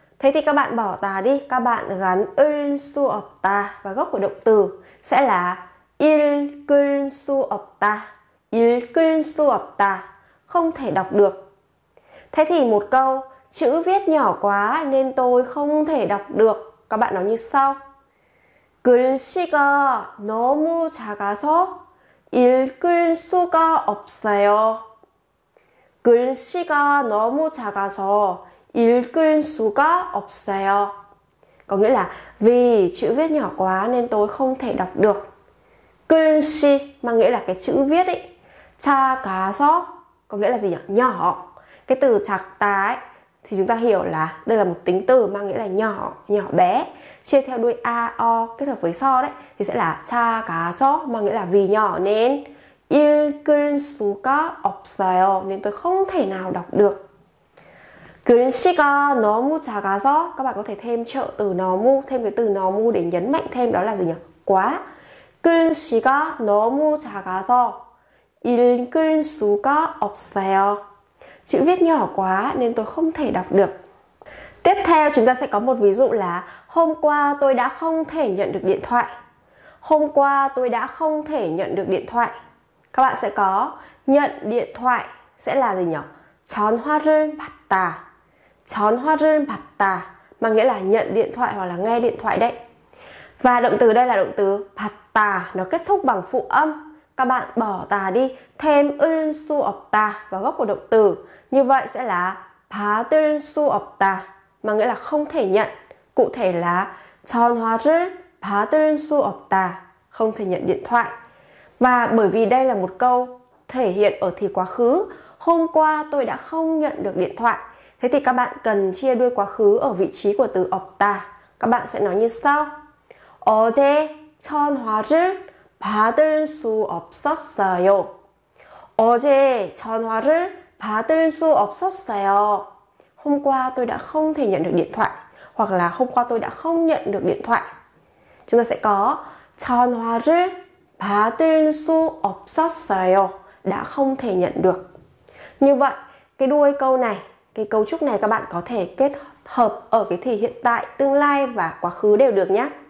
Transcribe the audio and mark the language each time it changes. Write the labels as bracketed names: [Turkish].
[Vietnamese] Thế thì các bạn bỏ tà đi. Các bạn gắn ilsu opta và gốc của động từ sẽ là ilkulsu opta. [Korean] Ilkulsu opta. [Vietnamese] Không thể đọc được. Thế thì một câu. Chữ viết nhỏ quá nên tôi không thể đọc được. Các bạn nói như sau. [Korean] 글씨가 너무 작아서 읽을 수가 없어요. 글씨가 너무 작아서 읽을 수가 없어요. [Vietnamese] Có nghĩa là vì chữ viết nhỏ quá nên tôi không thể đọc được. 글씨 mà nghĩa là cái chữ viết ấy. 작아서 có nghĩa là gì nhỉ? Nhỏ. Cái từ 작다 ấy thì chúng ta hiểu là đây là một tính từ mang nghĩa là nhỏ, nhỏ bé. Chia theo đuôi A, O kết hợp với so đấy thì sẽ là 작아서 mang nghĩa là vì nhỏ nên [Korean] 읽을 수가 없어요 [Vietnamese] nên tôi không thể nào đọc được. [Korean] 글씨가 너무 작아서 [Vietnamese] các bạn có thể thêm trợ từ 너무, thêm cái từ 너무 để nhấn mạnh thêm đó là gì nhỉ? Quá. 글씨가 너무 작아서 읽을 수가 없어요. Chữ viết nhỏ quá nên tôi không thể đọc được. Tiếp theo chúng ta sẽ có một ví dụ là hôm qua tôi đã không thể nhận được điện thoại. Hôm qua tôi đã không thể nhận được điện thoại. Các bạn sẽ có nhận điện thoại sẽ là gì nhỉ? [Korean] 전화를 받다. 전화를 받다 [Vietnamese] mà nghĩa là nhận điện thoại hoặc là nghe điện thoại đấy. Và động từ đây là động từ 받다. Nó kết thúc bằng phụ âm. Các bạn bỏ tà đi, thêm [Korean] 을수 없다 [Vietnamese] vào gốc của động từ. Như vậy sẽ là [Korean] 받을 수 없다 [Vietnamese] mà nghĩa là không thể nhận. Cụ thể là [Korean] 전화를 받을 수 없다, [Vietnamese] không thể nhận điện thoại. Và bởi vì đây là một câu thể hiện ở thì quá khứ, hôm qua tôi đã không nhận được điện thoại. Thế thì các bạn cần chia đuôi quá khứ ở vị trí của từ 없다. Các bạn sẽ nói như sau. [Korean] 어제 전화를 받을 수 없었어요. 어제 전화를 받을 수 없었어요. [Vietnamese] Hôm qua tôi đã không thể nhận được điện thoại. Hoặc là hôm qua tôi đã không nhận được điện thoại. chúng ta sẽ có [Korean] 전화를 받을 수 없었어요. [Vietnamese] Đã không thể nhận được. Như vậy, cái đuôi câu này, cái cấu trúc này các bạn có thể kết hợp ở cái thì hiện tại, tương lai và quá khứ đều được nhé.